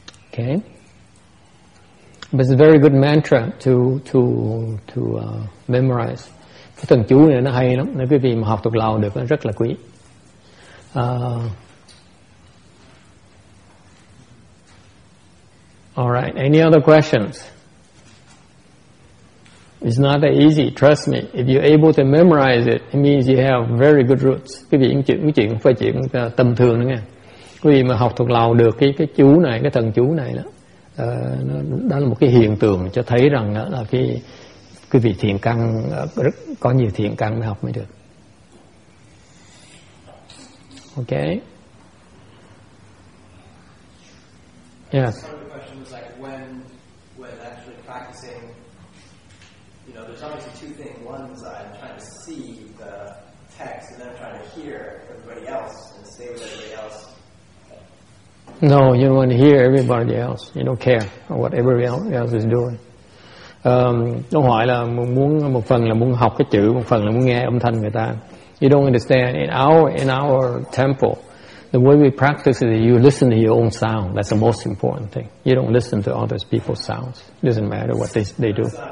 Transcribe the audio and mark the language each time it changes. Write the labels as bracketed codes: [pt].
[en] Okay, but it's a very good mantra to memorize. [vi] Cái thần chú này nó hay lắm, nếu quý vị mà học thuộc lòng được nó rất là quý. [en] All right, any other questions? It's not that easy, trust me. If you're able to memorize it, it means you have very good roots. [vi] Quý vị chuyện không phải chuyện tầm thường nữa nghe. Quý vị mà học thuộc lòng được cái chú này, cái thần chú này đó, nó đó là một cái hiện tượng cho thấy rằng là cái vị thiện căn rất có nhiều thiện căn mới học mới được. [en] Ok. Yes. Some of the questions like when actually practicing, you know, there's obviously two things. One is I'm trying to see the text and then I'm trying to hear everybody else and stay with everybody else. No, you don't want to hear everybody else. You don't care what everybody else is doing. [vi] Câu hỏi là muốn một phần là muốn học cái chữ, một phần là muốn nghe âm thanh người ta. [en] You don't understand. In our temple, the way we practice is you listen to your own sound. That's the most important thing. You don't listen to other people's sounds. It doesn't matter what they do.